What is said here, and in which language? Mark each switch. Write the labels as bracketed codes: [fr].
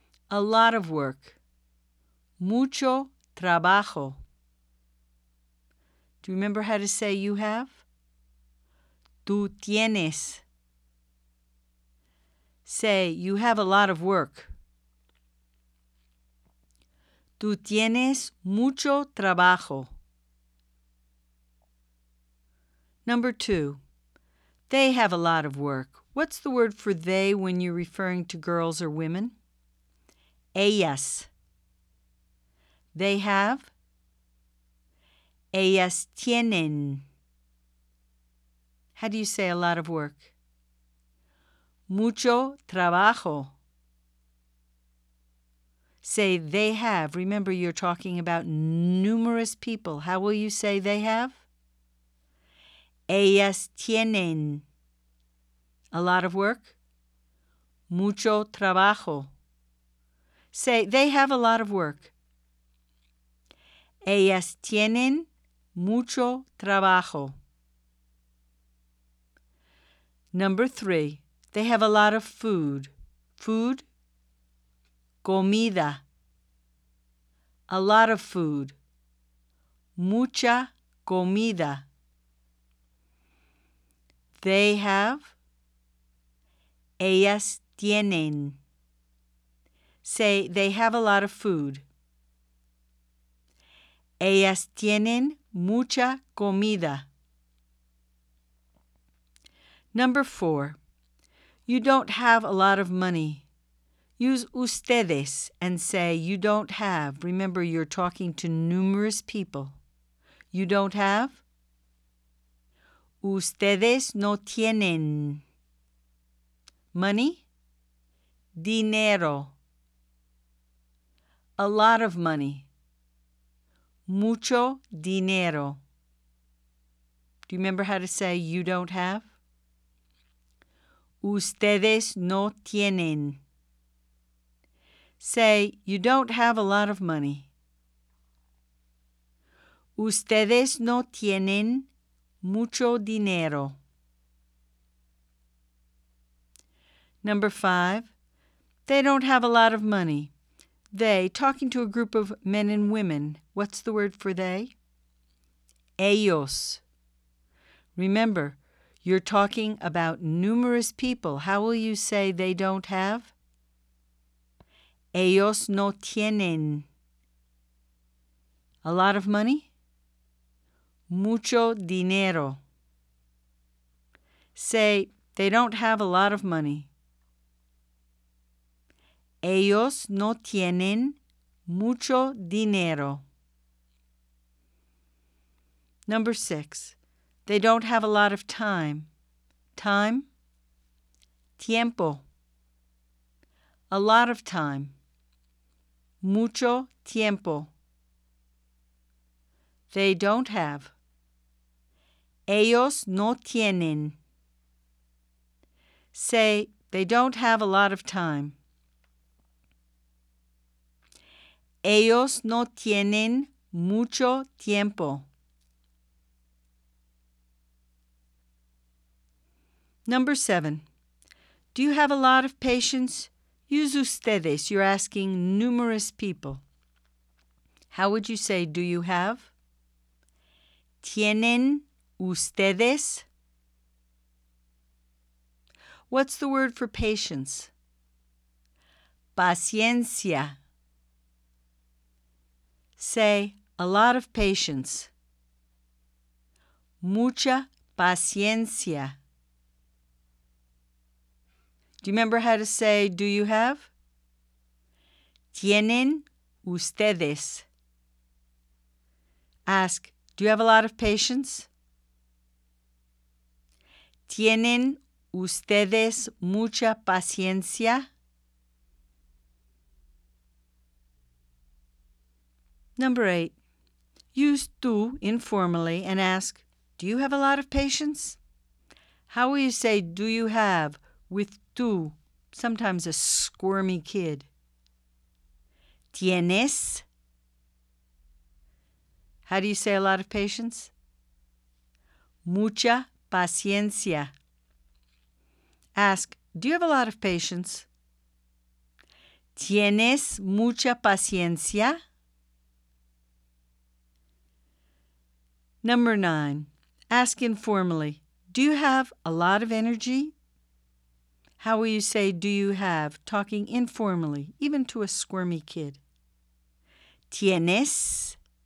[en] A lot of work. [es] Mucho trabajo. [en] Do you remember how to say you have? [es] Tú tienes. [en] Say, you have a lot of work. [es] Tú tienes mucho trabajo. [en] Number 2. They have a lot of work. What's the word for they when you're referring to girls or women? Ellas. They have? [es] Ellas tienen. [en] How do you say a lot of work? [es] Mucho trabajo. [en] Say they have. Remember, you're talking about numerous people. How will you say they have? [es] Ellas tienen. [en] A lot of work? [es] Mucho trabajo. [en] Say, they have a lot of work. [es] Ellas tienen mucho trabajo. [en] Number 3. They have a lot of food. Food? Comida. A lot of food. [es] Mucha comida. [en] They have? [es] Ellas tienen. [en] Say, they have a lot of food. [es] Ellas tienen mucha comida. [en] Number 4. You don't have a lot of money. Use ustedes and say, you don't have. Remember, you're talking to numerous people. You don't have? [es] Ustedes no tienen. [en] Money? Dinero. A lot of money. [es] Mucho dinero. [en] Do you remember how to say you don't have? [es] Ustedes no tienen. [en] Say, you don't have a lot of money. [es] Ustedes no tienen mucho dinero. [en] Number 5. They don't have a lot of money. They, talking to a group of men and women, what's the word for they? Ellos. Remember, you're talking about numerous people. How will you say they don't have? [es] Ellos no tienen. [en] A lot of money? [es] Mucho dinero. [en] Say, they don't have a lot of money. [es] Ellos no tienen mucho dinero. [en] Number 6. They don't have a lot of time. Time? Tiempo. A lot of time. [es] Mucho tiempo. [en] They don't have. [es] Ellos no tienen. [en] Say, they don't have a lot of time. [es] Ellos no tienen mucho tiempo. [en] Number 7. Do you have a lot of patience? Use ustedes. You're asking numerous people. How would you say, do you have? [es] Tienen ustedes? [en] What's the word for patience? Paciencia. Say, a lot of patience. [es] Mucha paciencia. [en] Do you remember how to say, do you have? [es] Tienen ustedes. [en] Ask, do you have a lot of patience? [es] ¿Tienen ustedes mucha paciencia? [en] Number 8. Use tú informally and ask, do you have a lot of patience? How will you say do you have with tú, sometimes a squirmy kid? ¿Tienes? How do you say a lot of patience? [es] Mucha paciencia. [en] Ask, do you have a lot of patience? [es] ¿Tienes mucha paciencia? [en] Number 9. Ask informally, do you have a lot of energy? How will you say do you have, talking informally, even to a squirmy kid? [es] ¿Tienes?